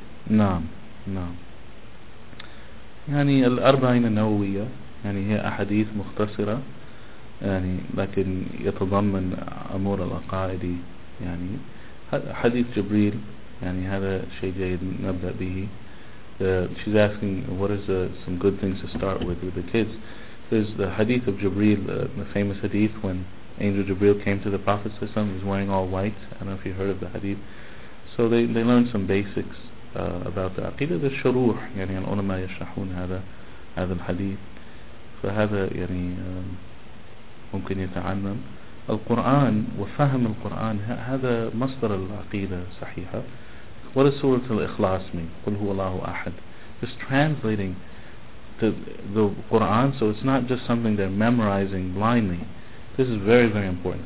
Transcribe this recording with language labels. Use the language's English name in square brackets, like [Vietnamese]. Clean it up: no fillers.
[Arabic] نعم نعم. يعني الأربعين النووية يعني هي أحاديث مختصرة يعني لكن يتضمن أمور العقائد. يعني حديث جبريل يعني هذا شيء جيد نبدأ به. [English] She's asking what is some good things to start with the kids. There's the hadith of Jibreel, the famous hadith when Angel Jibreel came to the Prophet ﷺ, he was wearing all white. I don't know if you heard of the hadith. So they learned some basics about the aqidah. [Arabic] The sharuh, يعني العلماء يشرحون هذا الحديث. فهذا يعني ممكن يتعلم. القرآن وفهم القرآن هذا مصدر العقيدة صحيحة. [English] What does Surah Al-Ikhlas mean? [Arabic] قل هو الله أحد. [English] Just translating the Quran, so it's not just something they're memorizing blindly. This is very, very important.